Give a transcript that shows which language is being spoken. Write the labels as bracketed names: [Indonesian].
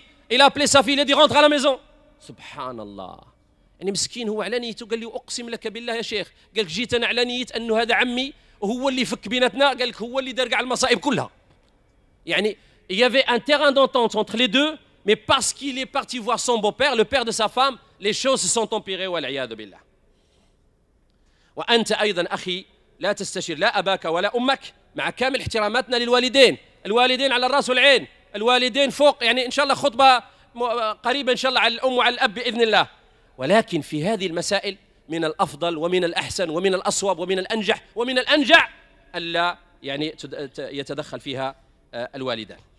[French] Il a appelé sa fille, il a dit, rentre à la maison. [Arabic] Subhanallah. يعني مسكين هو على نيته قال لي أقسم لك بالله يا شيخ قال لك جيت أنا على نيت أنه هذا عمي وهو اللي فك بيناتنا قال لك هو اللي دار كاع المصائب كلها. [French] يعني il y avait un terrain d'entente entre les deux mais parce qu'il est parti voir son beau-père le père de sa femme les choses se sont empirées [Arabic] والعياذ بالله. وأنت أيضا أخي لا تستشير لا أباك ولا أمك مع كامل احتراماتنا للوالدين. الوالدين على الرأس والعين, الوالدين فوق. يعني إن شاء الله خطبة قريبة إن شاء الله على الأم وعلى الأب بإذن الله. ولكن في هذه المسائل من الأفضل ومن الأحسن ومن الأصوب ومن الأنجح ومن الأنجع ألا يعني يتدخل فيها الوالدان.